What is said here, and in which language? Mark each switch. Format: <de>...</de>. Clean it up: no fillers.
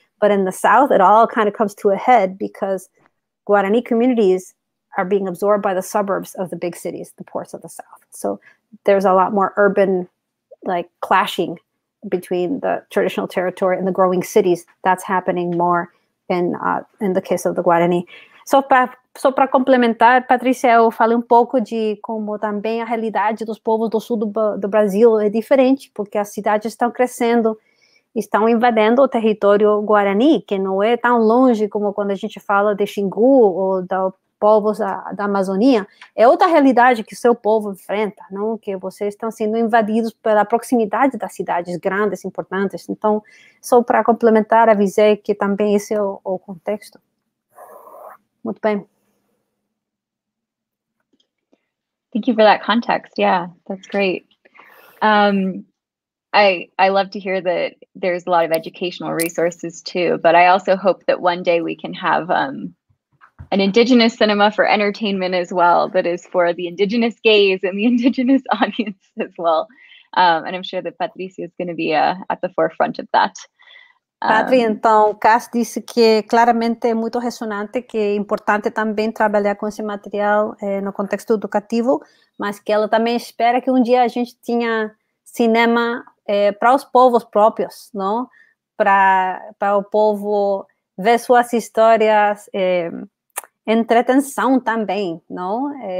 <en>But in the south, it all kind of comes to a head because Guarani communities are being absorbed by the suburbs of the big cities, the ports of the south. So there's a lot more urban, like, clashing between the traditional territory and the growing cities. That's happening more in the case of the Guarani.</en> <pt>Só para complementar, Patrícia, eu falei pouco de como também a realidade dos povos do sul do Brasil é diferente, porque as cidades estão crescendo, estão invadendo o território Guarani, que não é tão longe como quando a gente fala de Xingu ou dos povos da Amazônia. É outra realidade que o seu povo enfrenta, não? Que vocês estão sendo invadidos pela proximidade das cidades grandes, importantes. Então, só para complementar, avisei que também esse é o contexto. Muito bem.</pt> <en>Thank you for that context. Yeah, that's great. I love to hear that there's a lot of educational resources too, but I also hope that one day we can have an indigenous cinema for entertainment as well, that is for the indigenous gaze and the indigenous audience as well. And I'm sure that Patricia is going to be at the forefront of that.</en> <pt>Padre, então, Cass disse que claramente é muito ressonante, que é importante também trabalhar com esse material no contexto educativo, mas que ela também espera que um dia a gente tenha cinema para os povos próprios, não? Para o povo ver suas histórias, entretenção também, não?</pt>